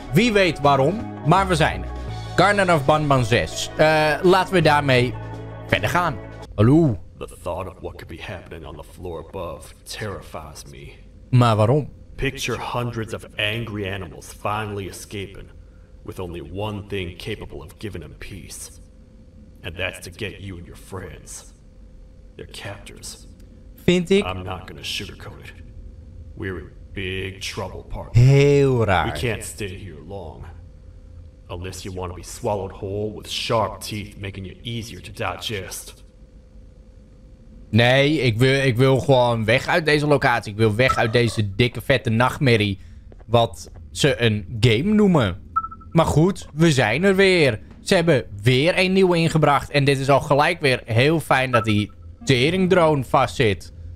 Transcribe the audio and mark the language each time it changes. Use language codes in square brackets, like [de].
[nl] Wie weet waarom, maar we zijn er. Garden of Banban 6. Laten we daarmee verder gaan. Hallo. [en] The thought of what could be happening on the floor above terrifies me. [nl] Maar waarom? [en] Picture hundreds of angry animals finally escaping, with only one thing capable of giving them peace. And that's to get you and your friends. They're captors. [nl] Vind ik... [en] I'm not gonna sugarcoat it. We're in big trouble, partner. [nl] Heel raar. [en] We can't stay here long. Unless you want to be swallowed whole with sharp teeth, making you easier to digest. [nl] Nee, ik wil gewoon weg uit deze locatie. Ik wil weg uit deze dikke vette nachtmerrie. Wat ze een game noemen. Maar goed, we zijn er weer. Ze hebben weer een nieuwe ingebracht. En dit is al gelijk weer heel fijn dat die teringdrone vastzit.